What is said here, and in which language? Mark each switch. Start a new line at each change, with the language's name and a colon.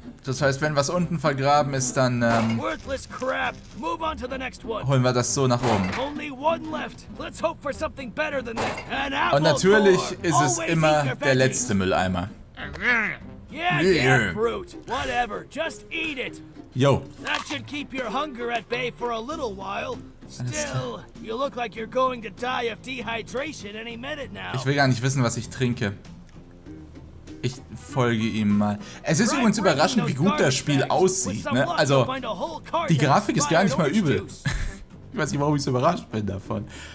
German: Das heißt, wenn was unten vergraben ist, dann
English: worthless crap. Move on to the next one.
German: Holen wir das so nach oben.
English: Only one left. Let's hope for something better than this. An apple.
German: Und natürlich ist es immer der letzte Mülleimer.
English: Yeah, fruit. Whatever. Just eat it. Yo. That should keep your hunger at bay for a little while. Still, you look like you're going to die of dehydration any minute now.
German: Ich will gar nicht wissen, was ich trinke. Ich folge ihm mal. Es ist übrigens überraschend, wie gut das Spiel aussieht, ne? Also, die Grafik ist gar nicht mal übel. Ich weiß nicht, warum ich so überrascht bin davon.